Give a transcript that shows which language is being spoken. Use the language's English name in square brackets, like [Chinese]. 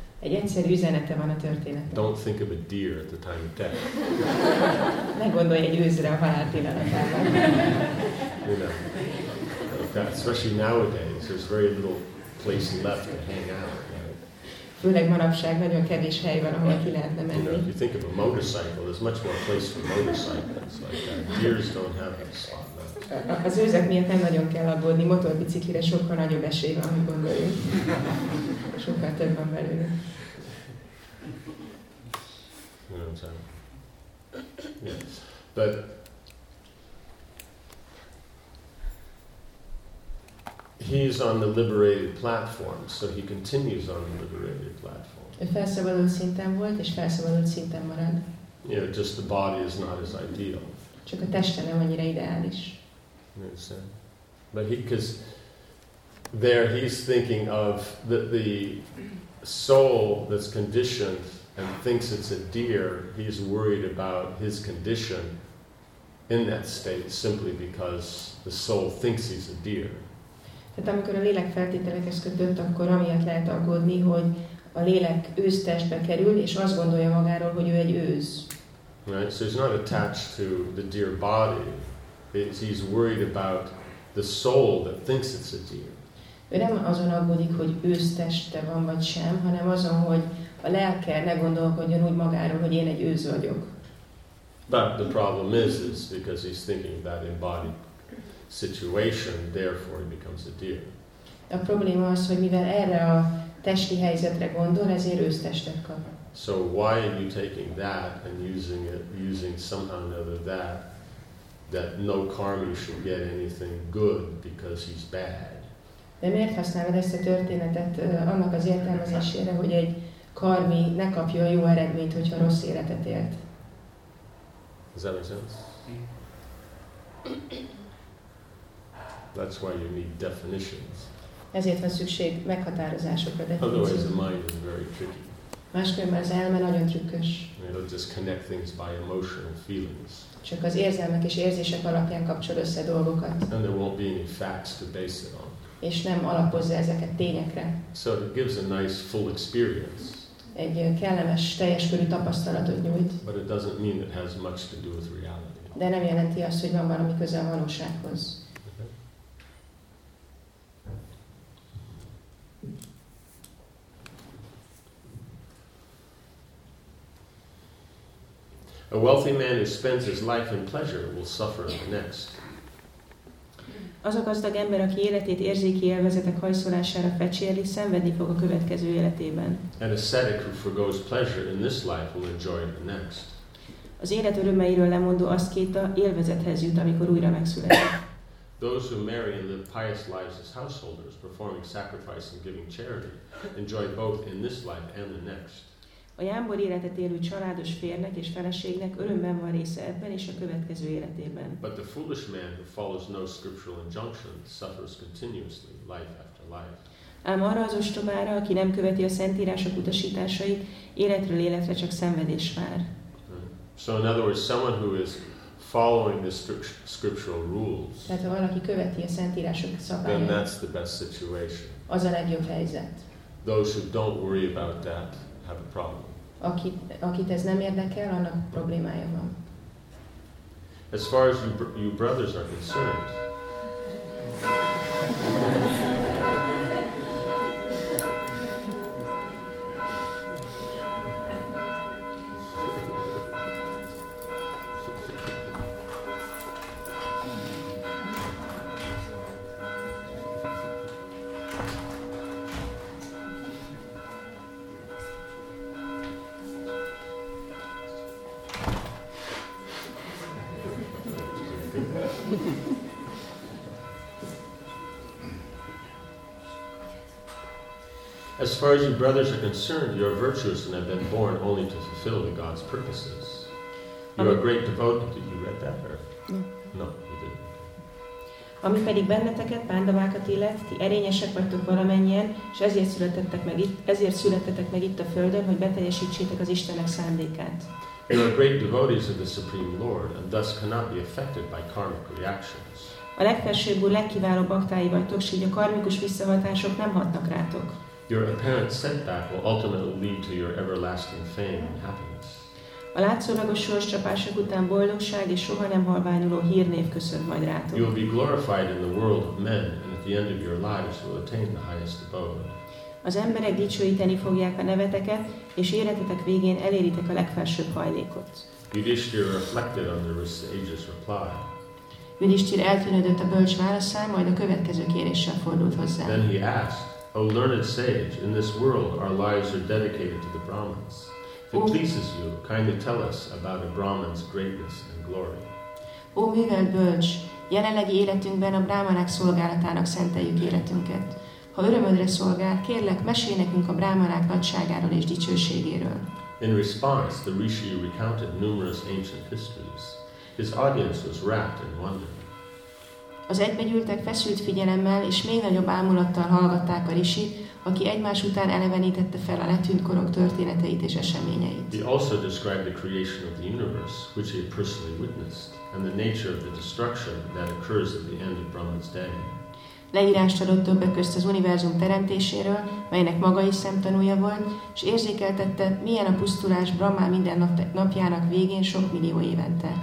[Hungarian] Egy egyszerű üzenete van a történetben. [English] Don't think of a deer at the time of death. [Hungarian] Ne gondolj egy őzre a halál pillanatában. [English] You know, that, especially nowadays, there's very little place left to hang out. [Hungarian] Főleg manapság nagyon kevés hely van, ahol ki lehetne menni. [English] You know, if you think of a motorcycle, there's much more place for motorcycles like that. Deers don't have a spot left. [Hungarian] Az őzek miatt nem nagyon kell aggódni. Motorbiciklire sokkal nagyobb esély van, amit gondoljuk. Sokkal több van belőle. [English] You know what I'm saying? Yes. But he's on the liberated platform, so he continues on the liberated platform. [Hungarian] A felszabadult szinten volt, és felszabadult szinten marad. [English] You know, just the body is not his ideal. [Hungarian] Csak a teste nem annyira ideális. [English] But because there he's thinking of the soul that's conditioned and thinks it's a deer, he's worried about his condition in that state simply because the soul thinks he's a deer. [Hungarian] Tehát amikor a lélek feltételekhez kötött, akkor amiatt lehet aggódni, hogy a lélek őztestbe kerül, és azt gondolja magáról, hogy ő egy őz. [English] Right, so he's not attached to the deer body. He's worried about the soul that thinks it's a deer. [Hungarian] Ő nem azon aggódik, hogy őzteste van vagy sem, hanem azon, hogy a lelke ne gondolkodjon úgy magáról, hogy én egy őz vagyok. [English] But the problem is because he's thinking about embodied situation, therefore he becomes a deer. [Hungarian] A probléma az, hogy mivel erre a testi helyzetre gondol, ezért ősztestet kap. [English] So why are you taking that and using somehow or another that no karmi should get anything good because he's bad? [Hungarian] De miért használod ezt a történetet annak az értelmezésére, hogy egy karmi ne kapja a jó eredményt, hogyha rossz életet élt? [English] Does that make sense? That's why you need definitions. [Hungarian] Ezért van szükség meghatározásokra, definíciókra. [English] Otherwise the mind is very tricky. [Hungarian] Máskülönben az elme nagyon trükkös. [English] It'll just connect things by emotional feelings. [Hungarian] Csak az érzelmek és érzések alapján kapcsol össze dolgokat. [English] And there won't be any facts to base it on. [Hungarian] És nem alapozza ezeket tényekre. [English] So it gives a nice full experience. [Hungarian] Egy kellemes, teljes körű tapasztalatot nyújt. [English] But it doesn't mean it has much to do with reality. [Hungarian] De nem jelenti azt, hogy van valami köze a valósághoz. [English] A wealthy man who spends his life in pleasure will suffer in the next. [Hungarian] Az a gazdag ember, aki életét érzéki élvezetek hajszolására fecséli, szenvedni fog a következő életében. [English] An ascetic who forgoes pleasure in this life will enjoy it in the next. [Hungarian] Az élet örömeiről lemondó aszkéta élvezethez jut, amikor újra megszületik. [English] Those who marry and live pious lives as householders, performing sacrifice and giving charity, enjoy both in this life and the next. [Hungarian] A jámbor életet élő családos férnek és feleségnek örömben van része ebben és a következő életében. [English] But the foolish man who follows no scriptural injunction suffers continuously life after life. [Hungarian] Ám arra az ostobára, aki nem követi a szentírások utasításait, életről életre csak szenvedés vár. [English] So in other words, someone who is following the scriptural rules. [Hungarian] Tehát ha valaki követi a szentírások szabályait. [English] Then that's the best situation. [Hungarian] Az a legjobb helyzet. [English] Those who don't worry about that have a problem. [Hungarian] Akit ez nem érdekel, annak problémája van. [English] As far as you brothers are concerned. As far as your brothers are concerned, you are virtuous and have been born only to fulfill the God's purposes. You are great devotees. Did you read that verse? No, you didn't. [Hungarian] Ami pedig benneteket, pándavákat illet, ti erényesek vagytok valamennyien, és ezért születtetek meg itt a földön, hogy beteljesítsétek az Istenek szándékát. [English] You are great devotees of the Supreme Lord, and thus cannot be affected by karmic reactions. [Hungarian] A legfelsőbb úr legkiválóbb baktái vagytok, s így a karmikus visszahatások nem hatnak rátok. [English] Your apparent setback will ultimately lead to your everlasting fame and happiness. [Hungarian] A látszólagos sorscsapások után boldogság és soha nem halványuló hírnév köszönt majd rátok. [English] You will be glorified in the world of men, and at the end of your lives will attain the highest abode. [Hungarian] Az emberek dicsőíteni fogják a neveteket, és életetek végén eléritek a legfelsőbb hajlékot. [English] Yudhishthira reflected on the sage's reply. [Hungarian] Yudhishthira eltűnődött a bölcs válaszán, majd a következő kéréssel fordult hozzá. [English] Then he asked, O learned sage, in this world our lives are dedicated to the Brahmins. If it pleases you, kindly tell us about a Brahmin's greatness and glory. [Hungarian] Ó, művelt bölcs, jelenlegi életünkben a brámanák szolgálatának szenteljük életünket. Ha örömödre szolgál, kérlek, mesélj nekünk a brámanák nagyságáról és dicsőségéről. [English] In response, the Rishi recounted numerous ancient histories. His audience was wrapped in wonder. [Hungarian] Az egybegyűltek feszült figyelemmel és még nagyobb ámulattal hallgatták a Rishi, aki egymás után elevenítette fel a letűnt korok történeteit és eseményeit. [English] He also described the creation of the universe, which he personally witnessed, and the nature of the destruction that occurs at the end of Brahman's day. [Hungarian] Leírást adott többek közt az univerzum teremtéséről, melynek maga is szemtanúja volt, és érzékeltette, milyen a pusztulás Brahman minden napjának végén sok millió évente.